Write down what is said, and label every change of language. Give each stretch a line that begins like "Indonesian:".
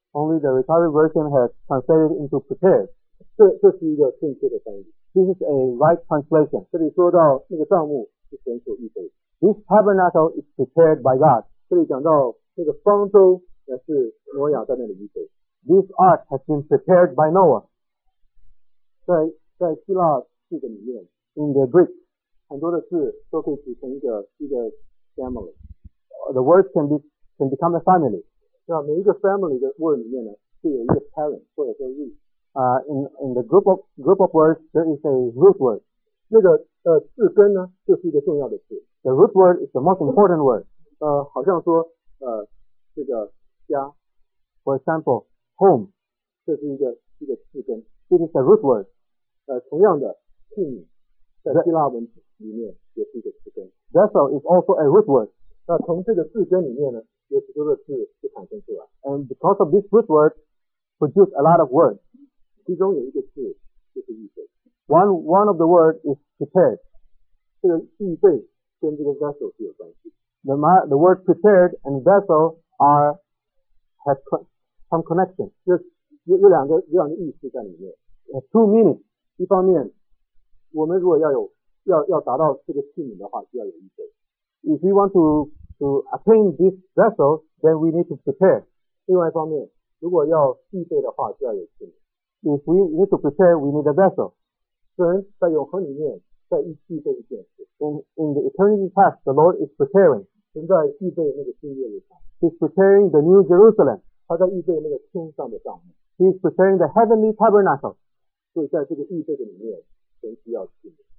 English: Only the recovery version has translated into prepared.
Chinese: 这是一个正确的翻译.
English: This is a right translation.
Chinese: 这里说到那个帐幕是神所预备.
English: This tabernacle is prepared by God.
Chinese: 这里讲到那个方舟也是挪亚在那里预备.
English: This ark has been prepared by Noah.
Chinese: 在希腊字的里面,
English: in the Greek,
Chinese: 很多的字都可以组成一个 family.
English: The words can become a family.
Chinese: 每一个 family 的 word里面呢, 是有一个 parent 或者说 root.
English: In the group of words, there is a root word.
Chinese: 那个字根呢, 就是一个重要的字.
English: The root word is the most important word.
Chinese: 好像说这个家,
English: for example, home.
Chinese: 这是一个字根.
English: It is a root word.
Chinese: 同样的, 姓名, 在希腊文字里面也是一个字根。
English: Vessel is also a root word.
Chinese: 那从这个字根里面呢, 有许多的字就产生出来。
English: And because of this root word, produce a lot of words.
Chinese: 其中有一个字, 就是预备。
English: One of the words is prepared.
Chinese: 这个预备跟这个vessel是有关系。
English: The word prepared and vessel have some connection.
Chinese: 有两个意思在里面。
English: Two meanings.
Chinese: 一方面, 我们如果要达到这个器皿的话, 就要有预备。
English: If we want to attain this vessel, then we need to prepare.
Chinese: 另外一方面, 如果要预备的话, 就要有器皿。
English: If we need to prepare, we need a vessel.
Chinese: 神在永恒里面, 在预备一件事。
English: In the eternity past, the Lord is preparing.
Chinese: 神在预备那个新耶路撒冷。
English: He's preparing the new Jerusalem.
Chinese: 他在预备那个天上的帐幕。
English: He's preparing the heavenly tabernacle.
Chinese: 所以在这个预备的里面，神需要器皿。